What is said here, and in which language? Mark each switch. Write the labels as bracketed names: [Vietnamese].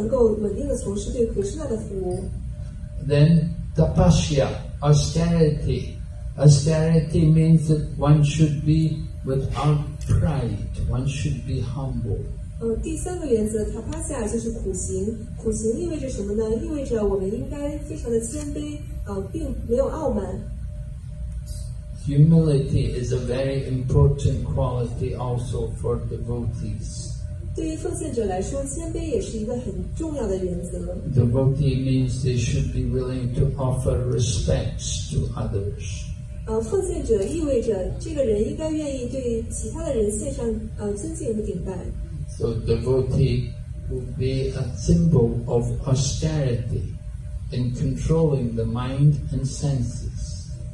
[Chinese] 我们应该通过自己的努力去保持我们的躯体，我们的心意都能够稳定地从事对Krishna的服务。 [English] Then tapasya, austerity. Austerity means that one should be without pride, one should be humble. [Chinese] 第三个原则，tapasya就是苦行。苦行意味着什么呢？意味着我们应该非常的谦卑，并没有傲慢。 [English] Humility is a very important quality also for devotees. [Chinese] 对于奉献者来说，谦卑也是一个很重要的原则。 [English] Devotee means they should be willing to offer respects to others. [Chinese] 奉献者意味着这个人应该愿意对其他的人献上尊敬和顶拜。 [English] So devotee would be a symbol of austerity in controlling the mind and senses.